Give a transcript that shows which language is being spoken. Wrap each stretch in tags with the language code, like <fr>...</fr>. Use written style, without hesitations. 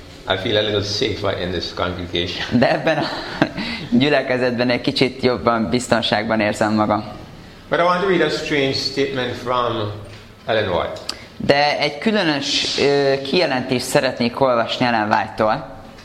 <en>I feel a little safer in this congregation.</en> <hu>De ebben a gyülekezetben egy kicsit jobban biztonságban érzem magam.</hu> <en>But I want to read a strange statement from Ellen White.</en> <hu>De egy különös kijelentést szeretnék olvasni Ellen White-tól.</hu>